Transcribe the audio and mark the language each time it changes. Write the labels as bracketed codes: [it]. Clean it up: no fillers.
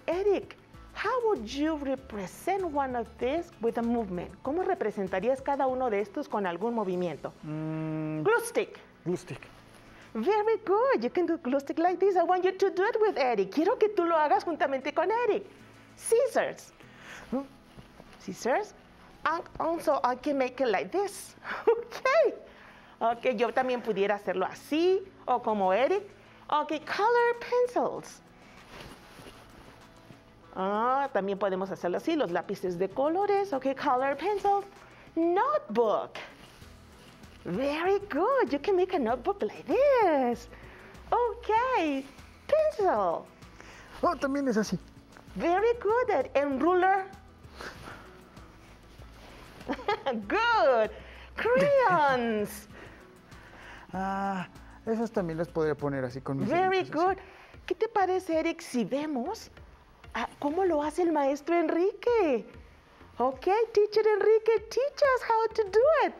[en] Eric, how would you represent one of these with a movement? [es] ¿Cómo representarías cada uno de estos con algún movimiento? [en] Glue stick. Glue stick. Very good. You can do glue stick like this. I want you to do it with Eric. [es] Quiero que tú lo hagas juntamente con Eric. [en] Scissors. Scissors. And also, I can make it like this. Okay. [es] Okay, yo también pudiera hacerlo así o como Eric. [en] Okay, color pencils. [es] Ah, también podemos hacerlo así, los lápices de colores. [en] Okay, color pencils. Notebook. Very good. You can make a notebook like this. Okay, pencil. [es] Oh, también es así. [en] Very good. And ruler. Good. Crayons. [es] Ah, esas también las podría poner así con mis [en] Very good. [es] ¿Qué te parece, Eric, si vemos cómo lo hace el maestro Enrique? [en] Okay, teacher Enrique, teach us how to do it.